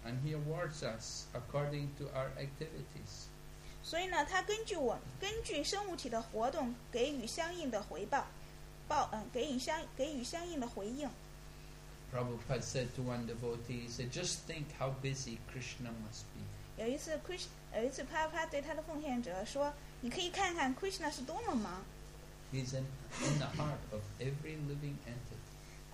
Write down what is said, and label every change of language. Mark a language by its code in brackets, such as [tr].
[en] And he awards us according to our activities. [zh] 所以呢，他根据生物体的活动给予相应的回报。给予相应的回应。 [en] Prabhupada said to one devotee, he said, just think how busy Krishna must be. [zh] 有一次 Prabhupada 对他的奉献者说, 你可以看看 Krishna是多么忙。 [en] He's in the heart of every living entity.